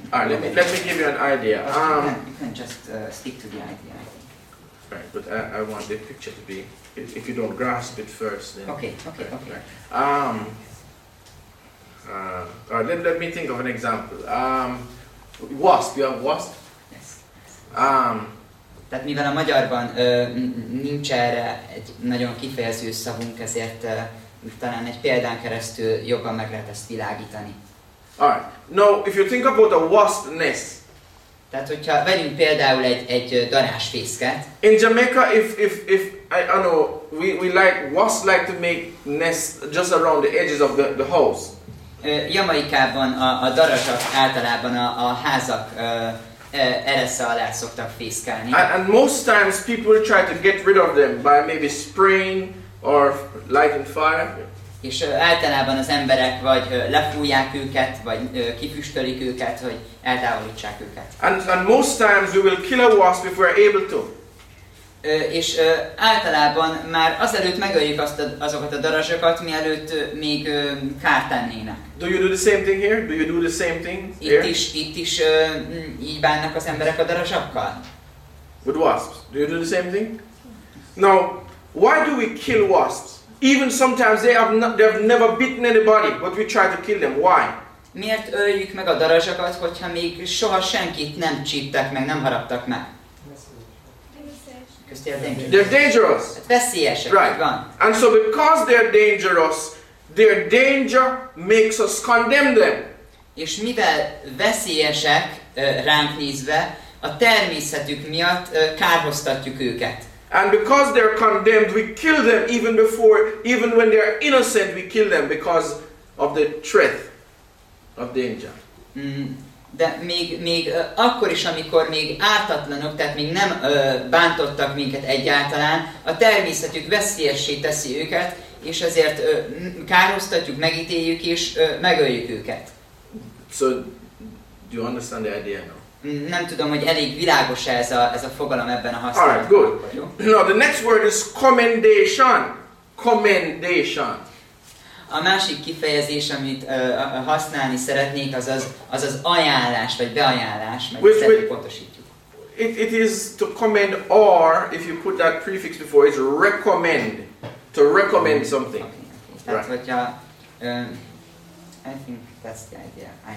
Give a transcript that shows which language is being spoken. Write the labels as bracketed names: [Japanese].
[English] Alright, let me give you an idea. You can just stick to the idea, I think. Right, but I want the picture to be, if you don't grasp it first, then... Okay. Alright, let me think of an example. Wasp, you have wasp? Yes. [Hungarian] Tehát mivel a magyarban nincs erre egy nagyon kifejező szavunk, ezért talán egy példán keresztül jobban meg lehet ezt világítani. [English] Alright. Now, if you think about a wasp nest. [Hungarian] Tehát, hogyha vegyünk például egy darásfészket. [English] In Jamaica, if I don't know, we like wasps like to make nests just around the edges of the house. [Hungarian] Jamaikában a darazsak általában a házak eresze alá szoktak fészkelni. [English] And most times people try to get rid of them by maybe spraying or lighting fire. [Hungarian] És általában az emberek vagy lefújják őket, vagy kifüstölik őket, hogy eltávolítsák őket. [English] And most times we will kill a wasp if we're able to. [Hungarian] És általában már azelőtt megöljük azokat a darazsokat, mielőtt még kárt tennének. [English] Do you do the same thing here? Do you do the same thing here? [Hungarian] Itt is így bánnak az emberek a darazsokkal. [English] With wasps. Do you do the same thing? No. Why do we kill wasps? Even sometimes they have never bitten anybody, but we try to kill them. Why? [Hungarian] Miért öljük meg a darazsokat, hogyha még soha senkit nem csíptek meg, nem haraptak meg? [English] They're dangerous. [Hungarian] Veszélyesek. [English] Right. And so because they're dangerous, their danger makes us condemn them. [Hungarian] És mivel veszélyesek ránk nézve, a természetük miatt kárhoztatjuk őket. [English] And because they're condemned, we kill them even before, even when they're innocent, we kill them because of the threat of danger. [Hungarian] De még akkor is, amikor még ártatlanok, tehát még nem bántottak minket egyáltalán, a természetük veszélyessé teszi őket, és ezért károsztatjuk, megítéljük és megöljük őket. [English] So, do you understand the idea now? [Hungarian] Nem tudom, hogy elég világos ez a fogalom ebben a használatban. [English] All right, good. Now, the next word is commendation. Commendation. [Hungarian] A másik kifejezés, amit használni szeretnék, az az ajánlás vagy beajánlás, mert ezt pontosítjuk. [English] It is to commend, or if you put that prefix before, it's recommend, to recommend something. Okay. Right. I think that's the idea.